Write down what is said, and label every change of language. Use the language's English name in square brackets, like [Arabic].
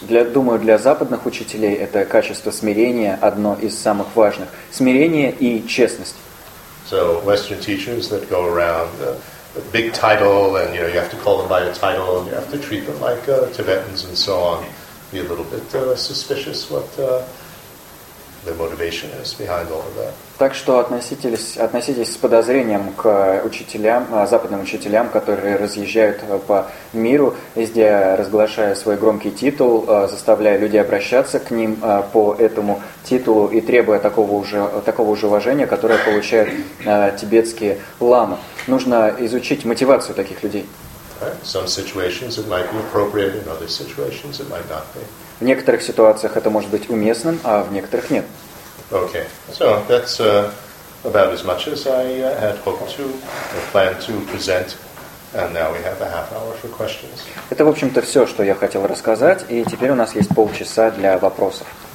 [Russian] Для западных учителей это качество смирения одно из самых важных. Смирение и честность. [English] So Western teachers that go around a big title, and you know, you have to call them by a title, and you have to treat them like Tibetans and so on. Be a little bit suspicious what the motivation is behind all of that. [Russian] Так что относитесь с подозрением к учителям, западным учителям, которые разъезжают по миру, везде разглашая свой громкий титул, заставляя людей обращаться к ним по этому титулу и требуя такого же уважения, которое получают тибетские ламы. Нужно изучить мотивацию таких людей. [English] Some situations it might be appropriate, in other situations it might not be. [Russian] В некоторых ситуациях это может быть уместным, а в некоторых нет. [English] Okay, so that's about as much as I had hoped to or planned to present, and now we have a half hour for questions. [Russian] Это, в общем-то, все, что я хотел рассказать, и теперь у нас есть полчаса для вопросов.